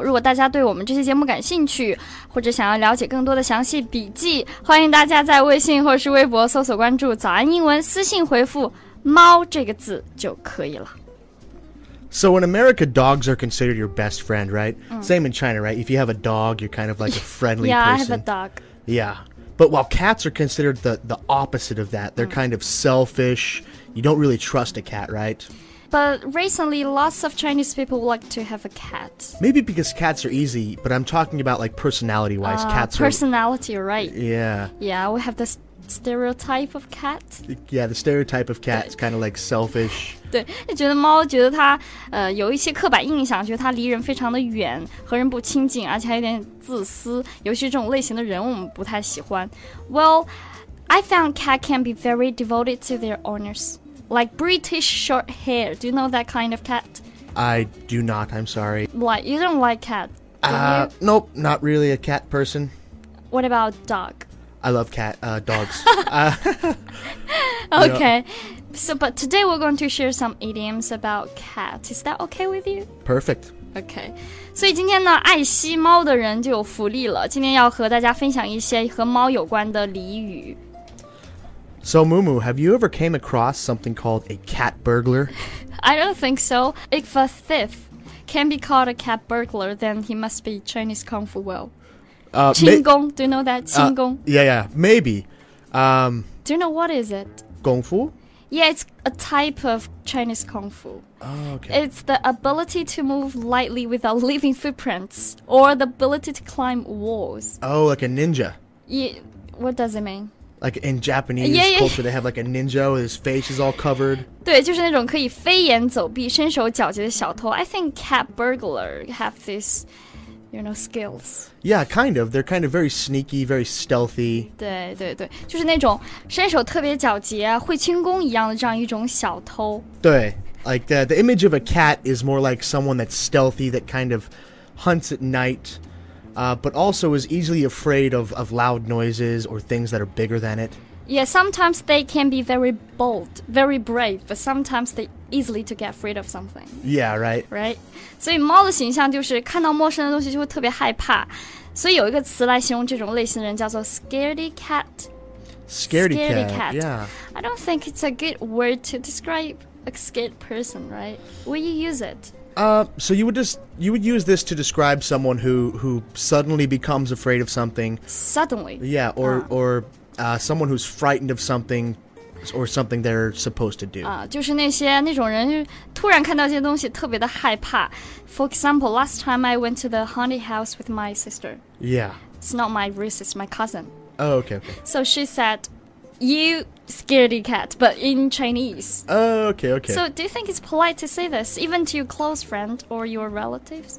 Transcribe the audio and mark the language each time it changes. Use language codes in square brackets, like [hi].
[zh] 如果大家对我们这期节目感兴趣，或者想要了解更多的详细笔记，欢迎大家在微信或是微博搜索关注“早安英文”，私信回复。猫这个字就可以了。 [en] So in America, dogs are considered your best friend, right? Same in China, right? If you have a dog, you're kind of like a friendly yeah, person. Yeah, I have a dog. Yeah. But while cats are considered the opposite of that, they're kind of selfish. You don't really trust a cat, right? But recently, lots of Chinese people like to have a cat. Maybe because cats are easy, but I'm talking about like personality-wise. Personality, right? Yeah. Yeah, we have this... stereotype of cat. Yeah, the stereotype of cat is kind of like selfish. [zh] 对，觉得猫觉得它有一些刻板印象，觉得它离人非常的远，和人不亲近，而且还有点自私。尤其这种类型的人，我们不太喜欢。 [en] Well, I found cat can be very devoted to their owners, like British short hair. Do you know that kind of cat? I do not. I'm sorry. Why you don't like cat? Nope, not really a cat person. What about dog? I love cat, dogs. okay. You know. So, but today we're going to share some idioms about cats. Is that okay with you? Perfect. Okay. [zh] 所以今天呢，爱惜猫的人就有福利了。今天要和大家分享一些和猫有关的俚语。 [en] So, Mumu, have you ever came across something called a cat burglar? I don't think so. If a thief can be called a cat burglar, then he must be Chinese Kung Fu well. Qing Gong, do you know that? Qing Gong? Yeah, maybe. Do you know what is it? Kung Fu? Yeah, it's a type of Chinese Kung Fu. Oh, okay. It's the ability to move lightly without leaving footprints, or the ability to climb walls. Oh, like a ninja. Yeah, what does it mean? Like in Japanese culture, they have like a ninja with his face is all covered. [zh] 对，就是那种可以飞檐走壁、身手矫捷的小偷。 [en] I think cat burglar have this... You know, skills. Yeah, kind of. They're kind of very sneaky, very stealthy. [zh] 对对对，就是那种身手特别矫捷，会轻功一样的这样一种小偷。 [en] 对 ，like the image of a cat is more like someone that's stealthy, that kind of hunts at night, but also is easily afraid of loud noises or things that are bigger than it. Yeah, sometimes they can be very bold, very brave, but sometimes they easily to get afraid of something. Yeah, right. [zh] Right. 所以猫的形象就是看到陌生的东西就会特别害怕，所以有一个词来形容这种类型的人叫做 scaredy cat. [en] Scaredy cat. Yeah. I don't think it's a good word to describe a scared person, right? Will you use it? So you would use this to describe someone who suddenly becomes afraid of something. Suddenly. Yeah. Or someone who's frightened of something. Or something they're supposed to do. [zh] 就是那种人突然看到这些东西特别的害怕。 [en] For example, last time I went to the haunted house with my sister. Yeah. It's not my niece, it's my cousin. Oh, okay. So she said, you scaredy cat, but in Chinese. Okay. So do you think it's polite to say this, even to your close friend or your relatives?